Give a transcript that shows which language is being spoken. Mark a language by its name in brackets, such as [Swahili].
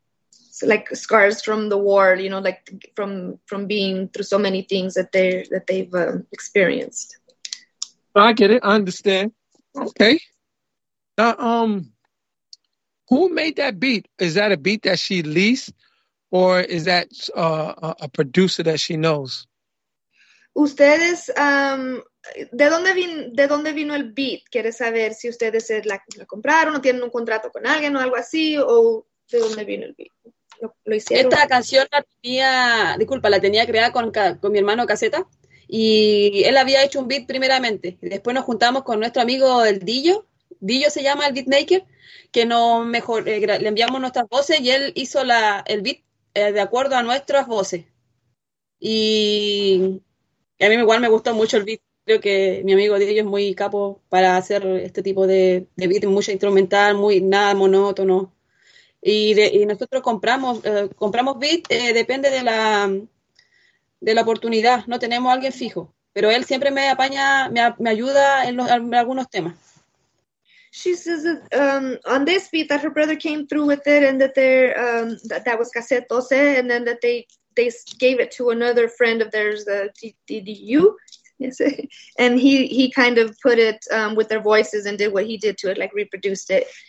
[English] So like scars from the war, you know, like from being through so many things that they've experienced. I get it. I understand. Okay. Who made that beat? Is that a beat that she leased, or is that a producer that she knows? [Spanish] Ustedes, ¿de dónde vino el beat? ¿Quiere saber si ustedes la compraron o tienen un contrato con alguien o algo así? ¿O de dónde vino el beat? ¿Lo hicieron? Esta canción la tenía creada con mi hermano Caseta, y él había hecho un beat primeramente. Después nos juntamos con nuestro amigo el Dillo. Dillo se llama el beatmaker, que le enviamos nuestras voces y él hizo el beat de acuerdo a nuestras voces. Y a mí igual me gustó mucho el beat. Creo que mi amigo Diego es muy capo para hacer este tipo de beat, mucho instrumental, muy nada monótono. Y nosotros compramos beat, depende de la oportunidad. No tenemos a alguien fijo, pero él siempre me apaña, me ayuda en algunos temas. [English] She says that on this beat that her brother came through with it, and that there that was Cassette 12, and then that they gave it to another friend of theirs, the DDU, and he kind of put it with their voices and did what he did to it, like reproduced it.